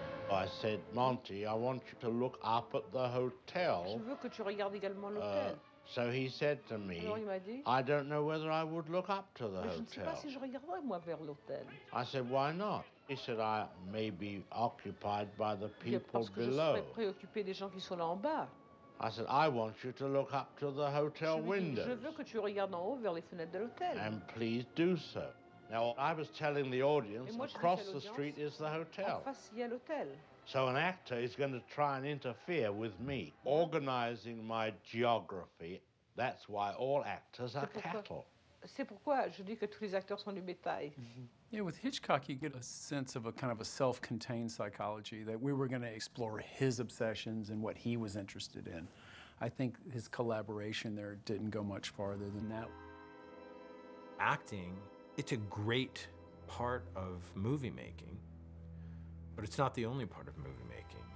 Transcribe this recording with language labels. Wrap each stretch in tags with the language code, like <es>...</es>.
<en>I said, Monty, I want you to look up at the hotel.</en> <fr>Je veux que tu regardes également l'hôtel.</fr> <en>So he said to me,</en> <fr>alors, il m'a dit,</fr> <en>I don't know whether I would look up to the hotel.</en> <fr>Je ne sais pas si je regarderais, moi, vers l'hôtel.</fr> <en>I said, why not? He said, I may be occupied by the people</en> <fr>parce que</fr> <en>below.</en> <fr>Je serais préoccupé des gens qui sont là en bas.</fr> <en>I said, I want you to look up to the hotel windows.</en> <fr>Je veux que tu regardes en haut vers les fenêtres de l'hôtel.</fr> <en>And please do so. Now, I was telling the audience,</en> <fr>moi,</fr> <en>across the street is the hotel.</en> <fr>En face, il y a l'hôtel.</fr> <en>So an actor is going to try and interfere with me, organizing my geography. That's why all actors are cattle.</en> <fr>C'est pourquoi je dis que tous les acteurs sont du bétail. Mm-hmm.</fr> <en>Yeah, with Hitchcock, you get a sense of a kind of a self-contained psychology that we were going to explore his obsessions and what he was interested in. I think his collaboration there didn't go much farther than that. Acting, it's a great part of movie making, but it's not the only part of movie making.</en>